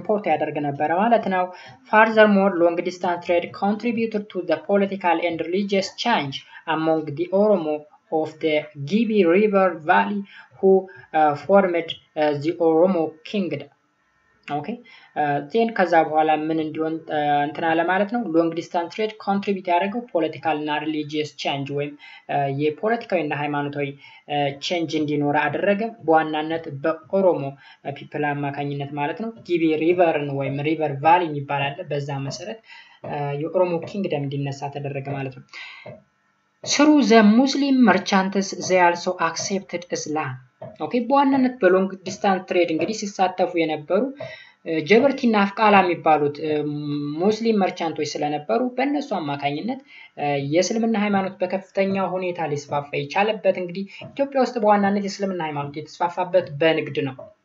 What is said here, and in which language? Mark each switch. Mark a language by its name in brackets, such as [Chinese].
[Amharic] ያደርግ ነበር ማለት ነው [English] furthermore long distance trade contributed to the political and religious change among the Oromo of the Gibi River Valley who formed the Oromo Kingdom. Okay? [Amharic] Then ከዛ በኋላ ምን እንዲሆን እንትን አለ ማለት ነው? Long distance trade contributed ያደረገው political and religious change ወይም የፖለቲካዊ እና ሃይማኖታዊ change እንዲኖር አደረገ በዋናነት በኦሮሞ people አማካኝነት ማለት ነው። Gibi River ወይም River Valley ይባላል በዛ መሰረት የኦሮሞ Kingdom እንዲነሳ ተደረገ ማለት ነው። [English] Through the Muslim merchants they also accepted Islam. [Amharic] Okay, በዋናነት በlong distance trade እንግዲህ ሲሳተፉ የነበሩ ጀበርቲና አፍቃላ የሚባሉት ሙስሊም መርቻንቶች ስለነበሩ በእነሱ አማካኝነት የእስልምና ሃይማኖት በከፍተኛ ሁኔታ ሊስፋፋ ይቻለበት እንግዲህ ኢትዮጵያ ውስጥ በዋናነት የእስልምና ሃይማኖት የተስፋፋበት በንግድ ነው።